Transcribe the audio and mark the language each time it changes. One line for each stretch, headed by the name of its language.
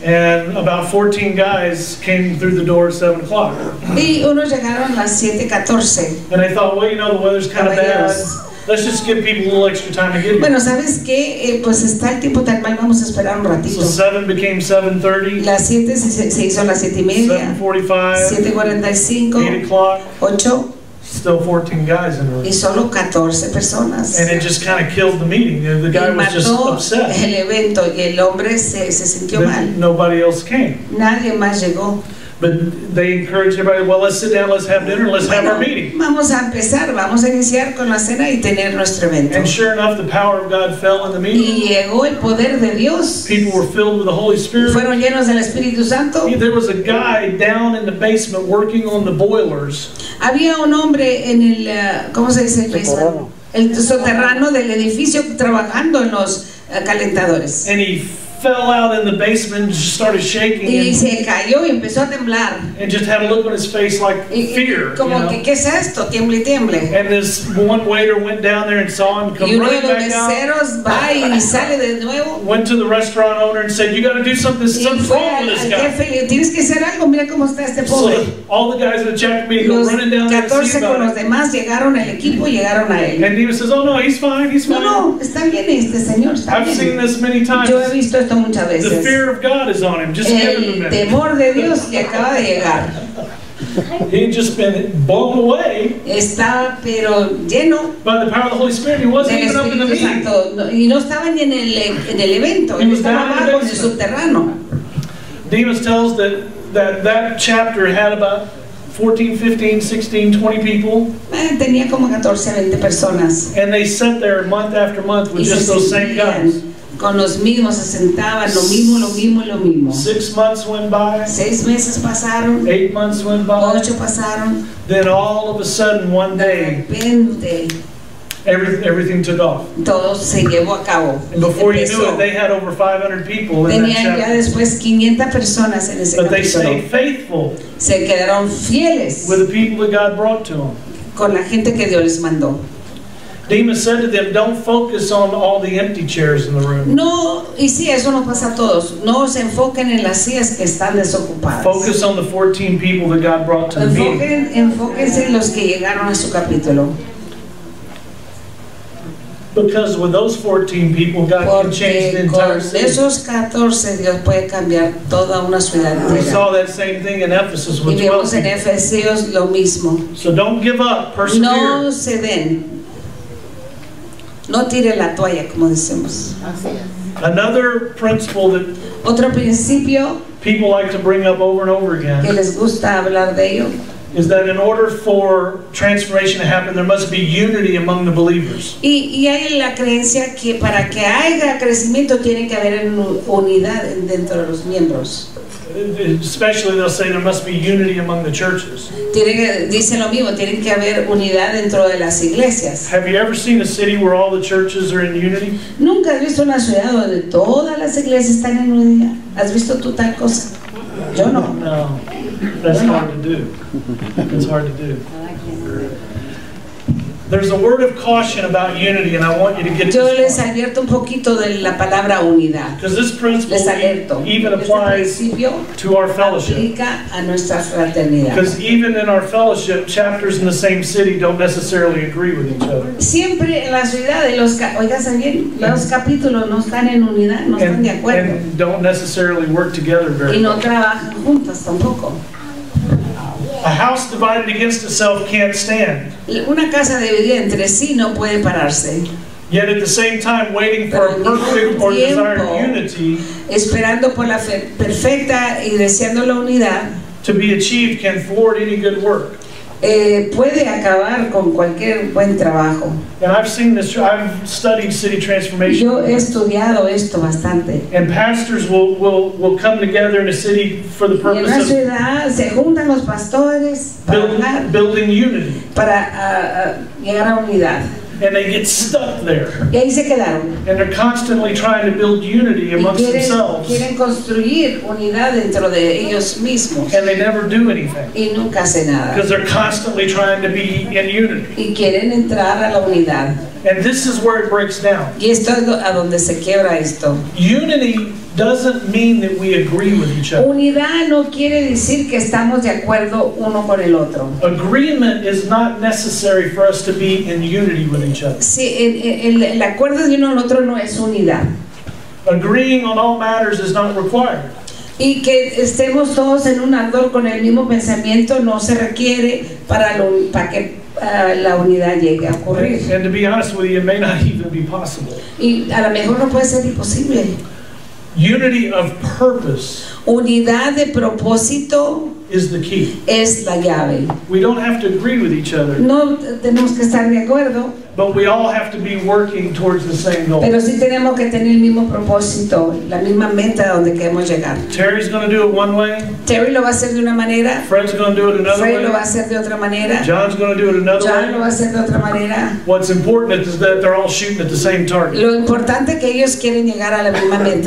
English: And about 14 guys came through the door at 7 o'clock.
Spanish: Y unos llegaron a las 7:14.
English: And I thought, well, you know, the weather's kind of bad. Let's just give people a little extra time to get here.
Spanish: Bueno, ¿sabes qué? Pues está el tiempo tan mal, vamos a esperar un ratito.
English: So 7 became 7:30.
Spanish: Las 7 se hizo las 7 y media.
English: 7:45.
Spanish: 7:45.
English: 8 o'clock.
Spanish: 8.
English: Still 14 guys in the room.
Spanish: Y solo 14 personas.
English: And it just kind of killed the meeting. The guy was just upset.
Spanish: El evento y el hombre se sintió mal.
English: Nobody else came.
Spanish: Nadie más llegó.
English: But they encourage everybody, well, let's sit down, let's have dinner, let's have our meeting.
Spanish: Vamos a empezar, vamos a iniciar con la cena y tener nuestro evento.
English: And sure enough, the power of God fell in the meeting.
Spanish: Y llegó el poder de Dios.
English: People were filled with the Holy Spirit.
Spanish: Fueron llenos del Espíritu Santo.
English: There was a guy down in the basement working on the boilers.
Spanish: Había un hombre en el, ¿cómo se dice? El soterrano del edificio trabajando en los calentadores.
English: And he fell out in the basement and just started shaking.
Spanish: Y se cayó y empezó a temblar.
English: And just had a look on his face like fear.
Spanish: Como
English: you know?
Spanish: Que, ¿qué es esto? Tiemble, tiemble.
English: And this one waiter went down there and saw him come right back out.
Spanish: Y uno de los meseros va y sale de nuevo.
English: Went to the restaurant owner and said, you got to do something. Something's wrong with this guy.
Spanish: Jefe, tienes que hacer algo. Mira cómo está este pobre.
English: So all the guys in the chat meeting go running down there and see about 14
Spanish: con los demás llegaron al equipo y llegaron a él.
English: And Dina says, oh no, he's fine, he's fine.
Spanish: No, no, está bien este señor, está
English: I've
Spanish: bien.
English: Seen this many times.
Spanish: Yo he visto esto muchas veces.
English: The fear of God is on him. Just
Spanish: el
English: give him a minute.
Spanish: Temor de Dios le acaba de llegar.
English: He'd just been blown away.
Spanish: Está, pero lleno.
English: By the power of the Holy Spirit, he wasn't even up in the meeting.
Spanish: Y no estaba ni en el evento.
English: He was down
Spanish: abajo en el subterráneo.
English: Demas tells that chapter had about 14, 15, 16, 20 people.
Spanish: Tenía como 14, 20 personas.
English: And they sat there month after month with just those same guys.
Spanish: Con los mismos se sentaban, lo mismo, lo mismo, lo mismo.
English: 6 months went by.
Spanish: 6 meses pasaron.
English: 8 months went by.
Spanish: 8 pasaron.
English: Then all of a sudden, one day.
Spanish: De repente.
English: Everything took off.
Spanish: Todo se llevó a cabo.
English: And before you knew it, they had over 500 people in
Spanish: tenían
English: that chapter.
Spanish: Ya después 500 personas en ese
English: but
Spanish: capítulo.
English: They stayed faithful.
Spanish: Se quedaron fieles.
English: With the people that God brought to them.
Spanish: Con la gente que Dios les mandó.
English: Demas said to them, don't focus on all the empty chairs in the room.
Spanish: No, y sí, eso no pasa a todos. No se enfoquen en las sillas que están desocupadas.
English: Focus on the 14 people that God brought to the meeting.
Spanish: Enfóquense en los que llegaron a su capítulo.
English: Because with those 14 people, God
Spanish: porque
English: can change the entire city.
Spanish: Esos 14, Dios puede cambiar toda una ciudad entera.
English: We saw that same thing in Ephesus with 12
Spanish: y vemos en Efesios lo mismo.
English: So don't give up, persevere.
Spanish: No se den. No tire la toalla, como decimos.
English: Another principle that
Spanish: otro principio
English: people like to bring up over and over again
Spanish: que les gusta hablar de ello,
English: is that in order for transformation to happen, there must be unity among the believers.
Spanish: Y hay la creencia que para que haya crecimiento tiene que haber unidad dentro de los miembros.
English: Especially they'll say there must be unity among the churches.
Spanish: Dicen lo mismo, tiene que haber unidad dentro de las iglesias.
English: Have you ever seen a city where all the churches are in unity?
Spanish: Nunca has visto una ciudad donde todas las iglesias están en unidad. ¿Has visto tú tal cosa? Yo no.
English: No. That's hard to do. It's hard to do. There's a word of caution about unity, and I want you to get this.
Spanish: Yo les advierto un poquito de la palabra unidad.
English: Because this principle even applies to our fellowship.
Spanish: Aplica a nuestra fraternidad.
English: Because even in our fellowship, chapters in the same city don't necessarily agree with each other.
Spanish: Siempre en la ciudad de los oiganse bien, los capítulos no están en unidad, no están de acuerdo.
English: And don't necessarily work together very.
Spanish: Y no trabajan juntas tampoco.
English: A house divided against itself can't stand.
Spanish: Una casa dividida entre sí no puede pararse.
English: Yet at the same time waiting for a perfect or desired unity.
Spanish: Esperando por la perfecta y deseando la unidad.
English: To be achieved can thwart any good work.
Spanish: Puede acabar con cualquier buen trabajo.
English: And I've seen this. I've studied city transformation.
Spanish: Yo he estudiado esto bastante.
English: And pastors will come together in a city for the purpose of.
Spanish: En la ciudad se juntan los pastores para
English: building unity.
Spanish: Para llegar a unidad.
English: And they get stuck there.
Spanish: Y ahí se quedaron.
English: And they're constantly trying to build unity amongst
Spanish: y quieren,
English: themselves.
Spanish: Quieren construir unidad dentro de ellos mismos.
English: And they never do anything.
Spanish: Y nunca hace nada.
English: Because they're constantly trying to be in unity.
Spanish: Y quieren entrar a la unidad.
English: And this is where it breaks down.
Spanish: Y esto es a donde se quiebra esto.
English: Unity doesn't mean that we agree with each other.
Spanish: Unidad no quiere decir que estamos de acuerdo uno con el otro.
English: Agreement is not necessary for us to be in unity with each other.
Spanish: Sí, el acuerdo de uno al otro no es unidad.
English: Agreeing on all matters is not required.
Spanish: Y que estemos todos en un ardor con el mismo pensamiento no se requiere para que la unidad llegue a ocurrir.
English: And to be honest with you, it may not even be possible.
Spanish: Y a lo mejor no puede ser imposible.
English: Unity of purpose.
Spanish: Unidad de propósito
English: is the key.
Spanish: Es la llave.
English: We don't have to agree with each other.
Spanish: No tenemos que estar de acuerdo.
English: But we all have to be working towards the same goal.
Spanish: Pero sí tenemos que tener el mismo propósito, la misma meta donde queremos llegar.
English: Terry's going to do it one way.
Spanish: Terry lo va a hacer de una manera.
English: Fred's going to do it another Fred way.
Spanish: Fred lo va a hacer de otra manera.
English: John's going to do it another John way.
Spanish: John lo va a hacer de otra manera.
English: What's important is that they're all shooting at the same target.
Spanish: Lo importante que ellos quieren llegar a la misma meta.